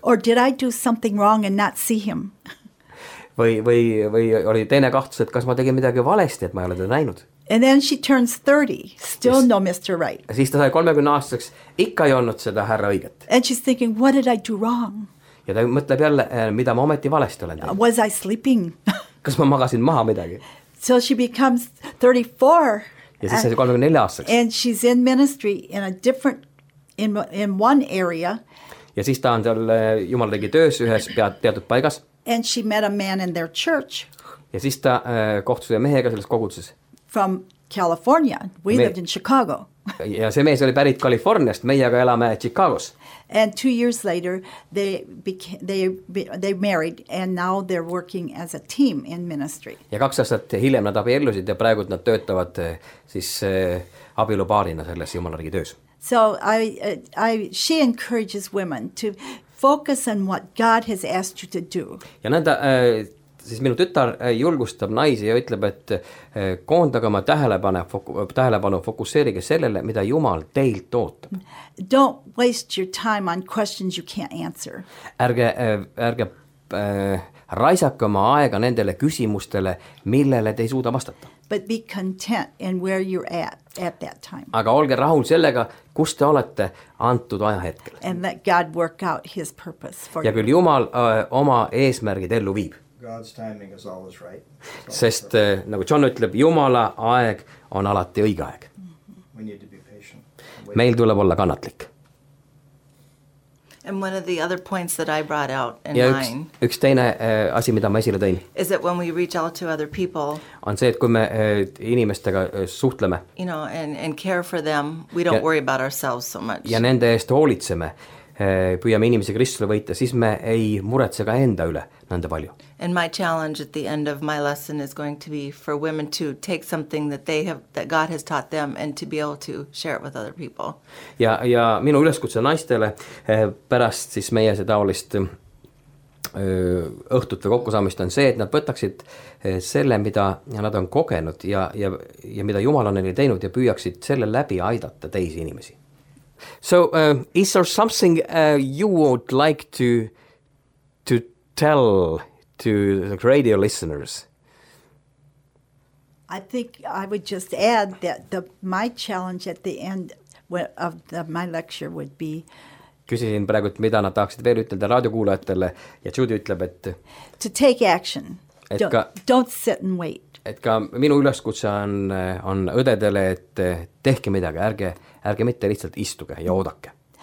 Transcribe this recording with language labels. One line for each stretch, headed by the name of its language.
English: Or did I do something wrong and not see him?
Estonian: Või oli teine kahtus, et kas ma tegin midagi valesti, et ma ei ole teda näinud.
English: And then she turns 30, still no Mr. Right.
Estonian: Ja siis ta sai 30 aastaks, ikka ei olnud seda härra õiget.
English: And she's thinking, what did I do wrong?
Estonian: Ja ta mõtleb jälle, mida ma ometi valesti olen teinud.
English: Was I sleeping?
Estonian: Kas ma magasin maha midagi?
English: So she becomes 34.
Estonian: Ja siis sai 34 aastaks.
English: And she's in ministry in a different, in one area.
Estonian: Ja siis ta on seal Jumal tegi töös ühes teatud paigas.
English: And she met a man in their church.
Estonian: Ja siis ta kohtus ühe mehega selles koguduses.
English: From California. We lived in Chicago.
Estonian: Ja see mees oli pärit Kaliforniast, meie aga elame Chicagos.
English: And 2 years later they married and now they're working as a team in ministry.
Estonian: Ja 2 aastat hiljem nad abiellusid ja praegu nad töötavad siis abielupaarina selles Jumalariigi töös.
English: So she encourages women to focus on what God has asked you to do.
Estonian: Ja nõnda siis minu tütar julgustab naisi ja ütleb, et koondage oma tähelepanu, fokusseerige sellele, mida Jumal teilt ootab.
English: Don't waste your time on questions you can't answer.
Estonian: Ärge raisake oma aega nendele küsimustele, millele te ei suuda vastata.
English: But be content in where you're at that time.
Estonian: Aga olge rahul sellega, kus te olete antud aja hetkel.
English: And let God work out his purpose for you.
Estonian: Ja küll Jumal oma eesmärgid ellu viib.
English: God's timing is always right.
Estonian: Sest nagu John ütleb, Jumala aeg on alati õige aeg.
English: We need to be patient.
Estonian: Meil tuleb olla kannatlik.
English: And one of the other points that I brought out in
Estonian: ja üks teine asi, mida ma esile tõin,
English: is that when we reach out to other people,
Estonian: on see, et kui me inimestega suhtleme,
English: you know, and care for them, we don't worry about ourselves so much.
Estonian: Ja nende eest hoolitseme, püüame inimese Kristusele võita, siis me ei muretse ka enda üle nende palju.
English: And my challenge at the end of my lesson is going to be for women to take something that they have, that God has taught them, and to be able to share it with other people.
Estonian: Ja minu üleskutse naistele pärast siis meie see taolist õhtut või kokkusaamist on see, et nad võtaksid selle, mida nad on kogenud ja mida Jumal on neile teinud ja püüaksid selle läbi aidata teisi inimesi.
English: So, is there something you would like to tell to the radio listeners? I think I would just add that my challenge at the end of my lecture would be...
Estonian: Küsisin praegu, et mida nad tahaksid veel ütelda raadiokuulajatele, ja Judy ütleb, et...
English: To take action. Don't sit and wait.
Estonian: Et ka minu üleskutse on õdedele, et tehke midagi, ärge mitte lihtsalt istuge ja oodake.